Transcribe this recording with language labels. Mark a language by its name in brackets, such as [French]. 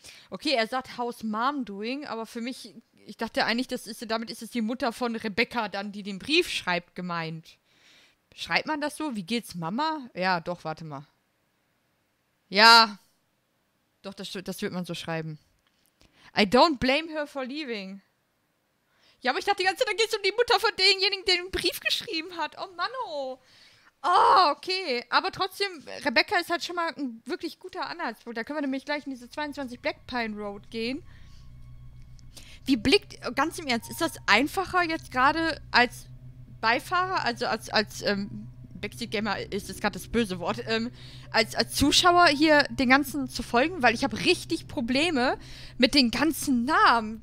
[German] Okay, er sagt, [English] how's mom doing? [German] Aber für mich, ich dachte eigentlich, damit ist es die Mutter von Rebecca dann, die den Brief schreibt, gemeint. Schreibt man das so? Wie geht's Mama? Ja, doch, warte mal. Ja. Doch, das wird man so schreiben. [English] I don't blame her for leaving. [German] Ja, aber ich dachte die ganze Zeit, da geht's um die Mutter von demjenigen, der den Brief geschrieben hat. Oh Mann, oh. Oh, okay. Aber trotzdem, Rebecca ist halt schon mal ein wirklich guter Anhaltspunkt. Da können wir nämlich gleich in diese 22 Black Pine Road gehen. Wie blickt, ganz im Ernst, ist das einfacher jetzt gerade als Beifahrer, also als Backseat-Gamer ist das gerade das böse Wort, als Zuschauer hier den ganzen zu folgen, weil ich habe richtig Probleme mit den ganzen Namen.